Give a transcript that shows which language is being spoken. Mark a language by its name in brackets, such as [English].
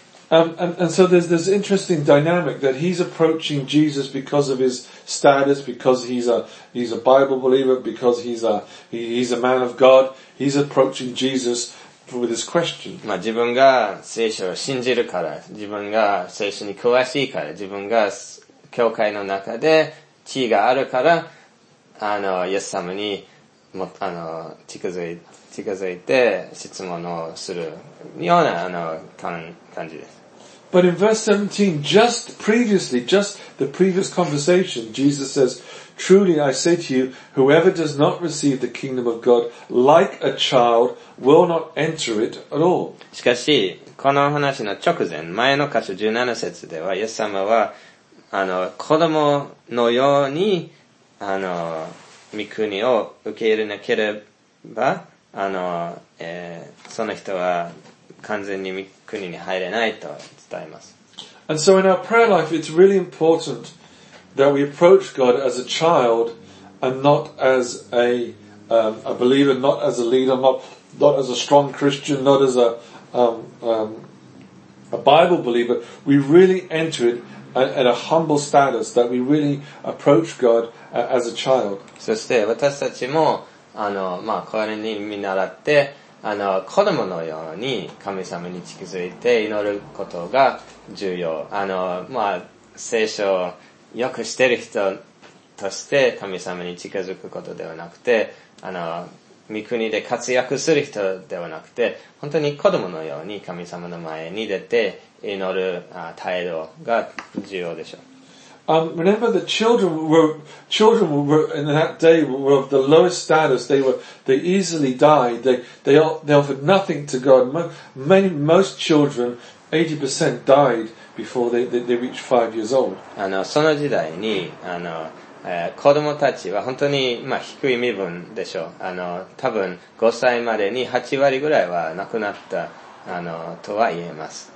[English] And so there's this interesting dynamic that he's approaching Jesus because of his status, because he's a Bible believer, because he's a man of God. He's approaching Jesus with his question. [Japanese] まあ、自分が聖書を信じるから、自分が聖書に詳しいから、自分が教会の中で地位があるから、イエス様にも、近づいて質問をするような、感じです。 [English] But in verse 17, just the previous conversation, Jesus says, "Truly I say to you, whoever does not receive the kingdom of God like a child will not enter it at all." [Japanese] しかし、この話の直前、前の箇所17節では、イエス様は、子供のように、御国を受け入れなければ、その人は完全に御国に入れないと伝えます。 [English] And so in our prayer life, it's really important that we approach God as a child and not as a believer, not as a leader, not as a strong Christian, not as a Bible believer. We really enter itAt a humble status, that we really approach God as a child. [Japanese] そして私たちもまあ、これに見習って子供のように神様に近づいて祈ることが重要。まあ、聖書をよく知っている人として神様に近づくことではなくて、御国で活躍する人ではなくて、本当に子供のように神様の前に出て祈る態度が重要でしょう。 [English] Remember that children were in that day were of the lowest status. They easily died. They offered nothing to God. Most children 80% died before they reached 5 years old. [Japanese] あの、その時代に、あの、子供たちは本当に、まあ、低い身分でしょう。あの、多分5歳までに8割ぐらいは亡くなった、あの、とは言えます。